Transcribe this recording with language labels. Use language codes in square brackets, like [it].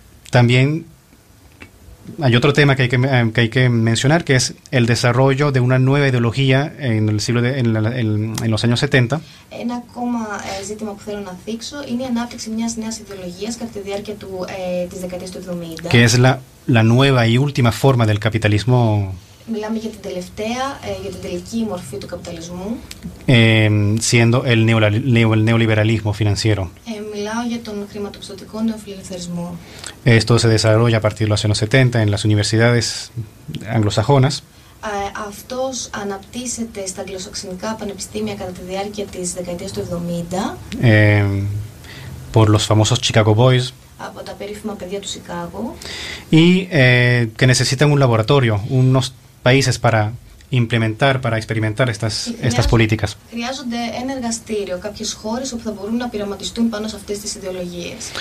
[es] También hay otro tema que hay que mencionar, que es el desarrollo de una nueva ideología en los años 70. [el] Ένα ακόμα ζήτημα που θέλω να θίξω είναι η ανάπτυξη μιας νέας ιδεολογίας κατά τη διάρκεια της δεκαετίας του 70. [es] Que es la nueva y última forma del capitalismo. [el] Μιλάμε για την τελευταία, για την τελική μορφή του καπιταλισμού. [es] Siendo el neoliberalismo financiero. [el] Μιλάω για τον χρηματοπιστωτικό νεοφιλελευθερισμό. [es] Esto se desarrolla a partir de los años 70 en las universidades anglosajonas. [el] Αυτός αναπτύσσεται στα αγγλοσαξονικά πανεπιστήμια κατά τη διάρκεια της δεκαετίας του 70. [es] Por los famosos Chicago Boys. [el] Από τα περίφημα παιδιά του Σικάγο. [es] Y que necesitan un laboratorio, unos países para implementar, para experimentar estas políticas. [el] Χρειάζονται ένα εργαστήριο, κάποιες χώρες όπου θα μπορούν να πειραματιστούν πάνω σε αυτές τις ιδεολογίες.